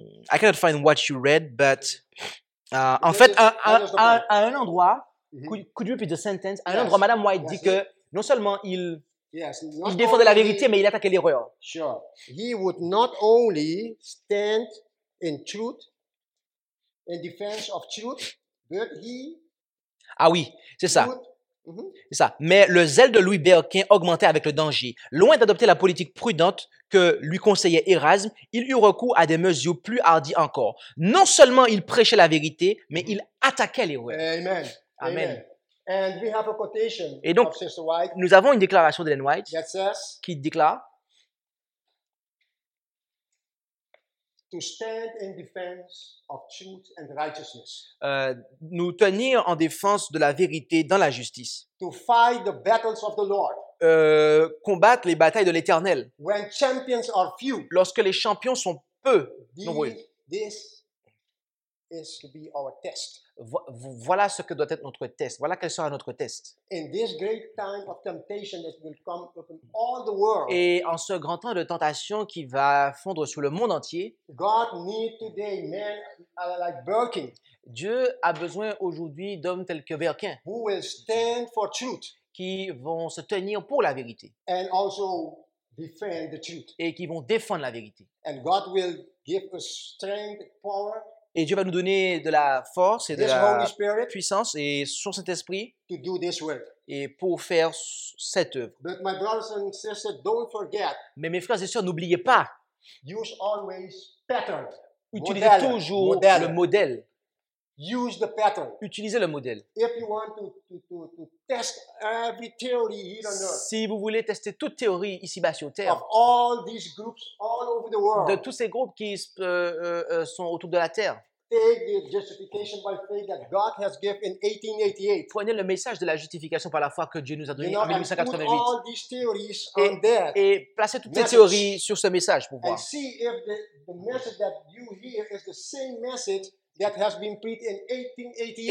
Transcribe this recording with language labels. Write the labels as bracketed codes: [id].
[en] I cannot find what you read, but [fr] en fait, à un endroit, [en] could you repeat the sentence? [fr] À un endroit, Madame White dit que non seulement il défendait la vérité, mais il attaquait l'erreur. [en] Sure. He would not only stand in truth, in defense of truth, but he. [fr] Ah oui, c'est ça. C'est ça. Mais le zèle de Louis Berquin augmentait avec le danger. Loin d'adopter la politique prudente que lui conseillait Érasme, il eut recours à des mesures plus hardies encore. Non seulement il prêchait la vérité, mais il attaquait les rois. Amen. Amen. [en] And we have a quotation. [fr] Et donc, [en] of Sister White, [fr] nous avons une déclaration d'Ellen White [en] that says, [fr] qui déclare [en] to stand in defense of truth and righteousness. [fr] Nous tenir en défense de la vérité dans la justice. [en] To fight the battles of the Lord. [fr] Combattre les batailles de l'Éternel. [en] When champions are few. [fr] Lorsque les champions sont peu nombreux. [en] This is to be our test. [fr] Voilà ce que doit être notre test. Voilà quel sera notre test. [en] In this great time of temptation that will come upon all the world. [fr] Et en ce grand temps de tentation qui va fondre sur le monde entier. [en] God needs today men like Berkin. [fr] Dieu a besoin aujourd'hui d'hommes tels que Berkin. [en] Who will stand for truth. [fr] Qui vont se tenir pour la vérité. [en] And also defend the truth. [fr] Et qui vont défendre la vérité. [en] And God will give us strength, power. [fr] Et Dieu va nous donner de la force et de la puissance et son Saint-Esprit [en] to do this work. [fr] Et pour faire cette œuvre. [en] But my brothers and sisters, don't forget. [fr] Mais mes frères et sœurs, n'oubliez pas. [en] Use always pattern. [fr] Utilisez modèle. Toujours modèle. Le modèle. [en] Use the pattern. [fr] Utilisez le modèle. [en] If you want to test every theory here on earth. [fr] Si vous voulez tester toute théorie ici-bas sur Terre. [en] Of all these groups all over the world. [fr] De tous ces groupes qui sont autour de la Terre. [en] Take the justification by faith that God has given in 1888. [fr] Prenez le message de la justification par la foi que Dieu nous a donné en 1888. [en] Put all these theories on there. [fr] Et placez toutes message. Ces théories sur ce message pour voir. [en] And see if the message that you hear is the same message. That has been preached in 1888.